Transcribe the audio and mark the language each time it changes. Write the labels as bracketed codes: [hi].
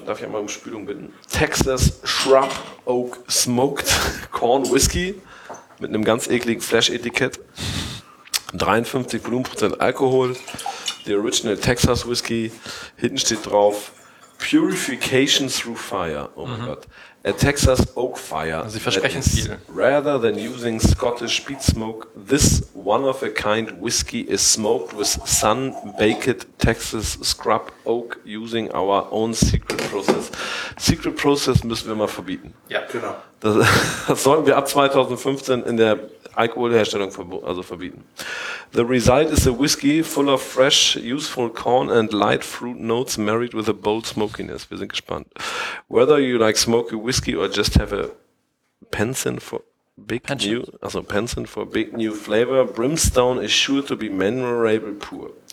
[de] Darf ich einmal um Spülung bitten? Texas Shrub Oak Smoked Corn Whiskey mit einem ganz ekligen Flash-Etikett. 53 Volumenprozent Alkohol. [en] The original Texas Whiskey. [de] Hinten steht drauf [en] Purification through Fire. [de] Oh mein Gott. [en] A Texas Oak Fire. [de] Also sie versprechen viel. [en] Rather than using Scottish peat smoke, this one-of-a-kind whiskey is smoked with sun-baked Texas scrub oak using our own secret process. Secret process [de] müssen wir mal verbieten. Ja, genau. Das sollten wir ab 2015 in der Alkoholherstellung verbieten. [en] The result is a whiskey full of fresh, useful corn and light fruit notes married with a bold smokiness. [de] Wir sind gespannt. [en] Whether you like smoky whiskey or just have a penchant for big new flavor, Brimstone is sure to be memorable pour.